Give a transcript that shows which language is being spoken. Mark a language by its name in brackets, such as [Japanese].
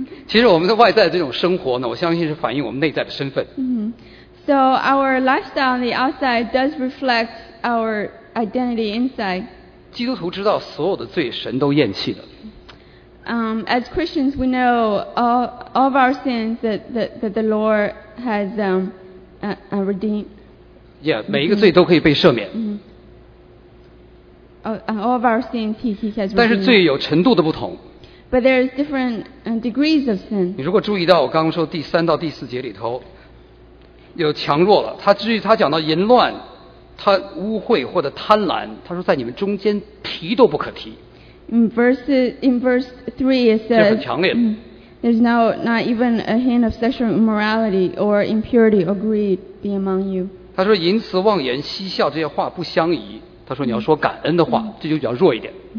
[Chinese] 其实我们的外在的这种生活呢，我相信是反映我们内在的身份。 [English] So our lifestyle on the outside does reflect our identity inside. [Chinese] 基督徒知道所有的罪神都厌弃了。 [English] As Christians, we know all of our sins that the Lord has redeemed. [Chinese] Yeah, 每一个罪都可以被赦免。 [English] All of our sins he has redeemed. [Chinese] 但是罪有程度的不同。 [English] But there is different degrees of sin. [Chinese] 你如果注意到我刚刚说第三到第四节里头有强弱了，他至于他讲到淫乱，他污秽或者贪婪，他说在你们中间提都不可提。 [English] In verse three, it says [Chinese] 这很强烈的。 [English] There's not even a hint of sexual immorality or impurity or greed be among you. [Chinese] 他说淫词妄言嬉笑这些话不相宜，他说你要说感恩的话，这就比较弱一点。